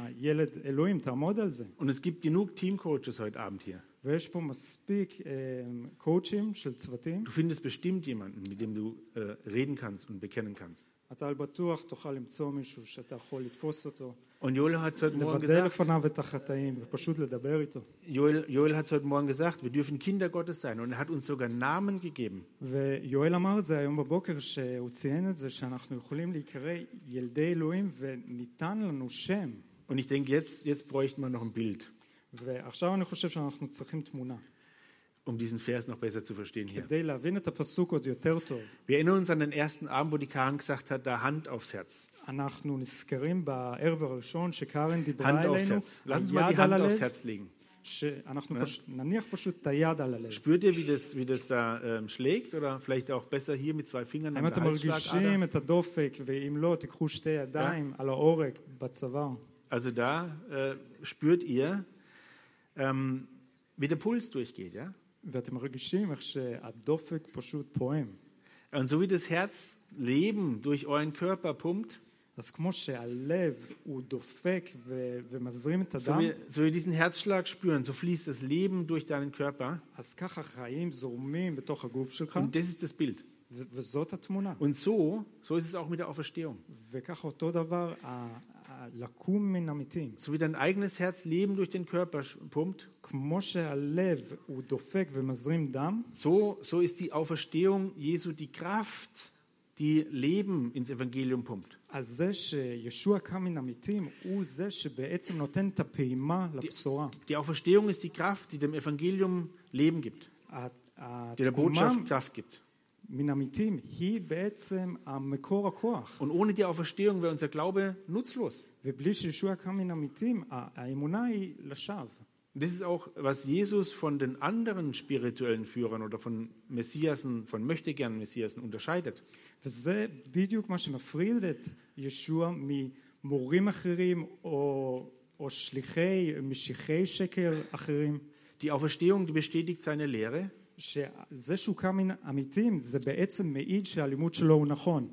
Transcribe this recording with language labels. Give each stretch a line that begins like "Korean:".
German: Und es gibt genug Teamcoaches heute Abend hier.
Hebrew: ויש פה מספיק קואצ'ים של צוותים.
German: Du findest bestimmt jemanden, mit dem du reden kannst und bekennen kannst.
Hebrew: אתה על בטוח תוכל למצוא מישהו שאתה יכול לתפוס אותו.
German: Und Joel hat heute morgen gesagt,
Hebrew: לבדל לפניו את החטאים ופשוט לדבר איתו.
German: Joel hat heute morgen gesagt, wir dürfen Kinder Gottes sein und er hat uns sogar Namen gegeben.
Hebrew: ויואל אמר זה היום בבוקר שהוא ציין את זה שאנחנו יכולים להיקרא ילדי אלוהים וניתן לנו שם.
German: Und ich denke, jetzt bräuchte man noch ein Bild.
Hebrew: ועכשיו אני חושב שאנחנו צריכים תמונה.
German: Diesen Vers noch besser zu verstehen hier.
Hebrew: כדי להבין את הפסוק עוד יותר טוב.
German: Wir erinnern uns an den ersten Abend, wo die Karen gesagt hat, da Hand aufs Herz.
Hebrew: אנחנו נזכרים בערב הראשון שקארן דיברה
German: Hand
Hebrew: אלינו.
German: Lass uns mal die Hand aufs Herz legen.
Hebrew: שאנחנו נניח פשוט את היד על הלב.
German: Spürt ihr, wie das da schlägt? Oder vielleicht auch besser hier mit zwei Fingern am Halsschlag?
Hebrew: האם אתם מרגישים את הדופק, ואם לא, תקחו שתי ידיים על האורק בצוואר.
German: Also da spürt ihr, wie der Puls durchgeht, ja?
Hebrew: ואתם מרגישים איך שהדופק פשוט פועם.
German: Und so wie das Herz Leben durch euren Körper pumpt,
Hebrew: אז כמו שהלב הוא דופק ומזרים את הדם,
German: so wie diesen Herzschlag spüren, so fließt das Leben durch deinen Körper,
Hebrew: אז ככה חיים זורמים בתוך הגוף שלך,
German: und das ist das Bild.
Hebrew: וזאת התמונה.
German: Und so ist es auch mit der Auferstehung.
Hebrew: וככה אותו דבר, לקום מן המתים.
German: So wie dein eigenes Herz Leben durch den Körper pumpt,
Hebrew: כמו שהלב הוא דופק ומזרים דם,
German: so ist die Auferstehung Jesu die Kraft, die Leben ins Evangelium pumpt.
Hebrew: אז זה שישוע קם מן המתים, הוא זה שבעצם נותן את הפעימה לבשורה.
German: Die Auferstehung ist die Kraft, die dem Evangelium Leben gibt. Die der Botschaft Kraft gibt.
Hebrew: מן המתים, היא בעצם המקור הכוח.
German: Und ohne die Auferstehung wäre unser Glaube nutzlos.
Hebrew: ובלי שישוע קם מן המתים, האמונה היא לשווא.
German: Das ist auch, was Jesus von den anderen spirituellen Führern oder von Messiasen, von Möchtegern Messiasen unterscheidet.
Hebrew: וזה בדיוק מה שמפריד את ישוע ממורים אחרים או שליחי, משיחי שקר אחרים.
German: Die Auferstehung bestätigt seine Lehre.
Hebrew: שזה שהוא קם מן המתים, זה בעצם מעיד שהלימוד שלו הוא נכון.